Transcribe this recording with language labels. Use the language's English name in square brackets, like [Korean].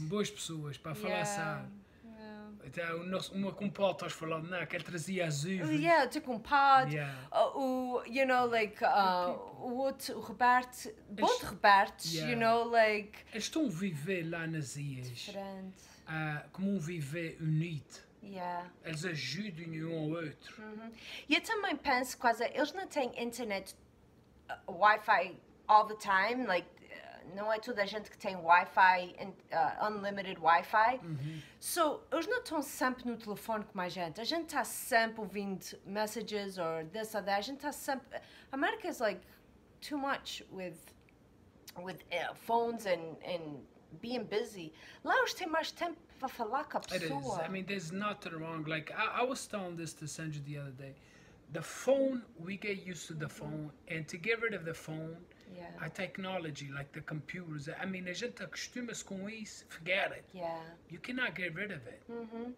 [Portuguese] Boas pessoas para falar sabe. Então, uma compota, estás falando, não, que ele trazia as uvas. [English] Yeah, to compote. Yeah. You know, like, o Roberto, both Robertos, you know, like... [Portuguese] Eles estão a viver lá nas ilhas. Diferente. Como um viver unido. [English] Yeah. [Portuguese] Eles ajudam um ao outro. Uh-huh. E eu também penso, quase, eles não têm internet, Wi-Fi, [English] all the time, like... [Portuguese] Não é toda a gente que tem Wi-Fi, [English] unlimited [Portuguese] Wi-Fi. Uhum. So, eles não estão sempre no telefone com mais gente. A gente está sempre ouvindo [English] messages or this or that. [Portuguese] A gente está sempre... [English] America is like too much with phones and being busy. [Portuguese] Lá eles têm mais tempo para falar com a pessoa. [English] It is. I mean, there's nothing wrong. Like, I was telling this to Sandra the other day. The phone, we get used to the phone. And to get rid of the phone... Yeah. A technology, like the computers, I mean, [Portuguese] a gente acostuma-se com isso, [English] forget it. Yeah. You cannot get rid of it. Mm-hmm.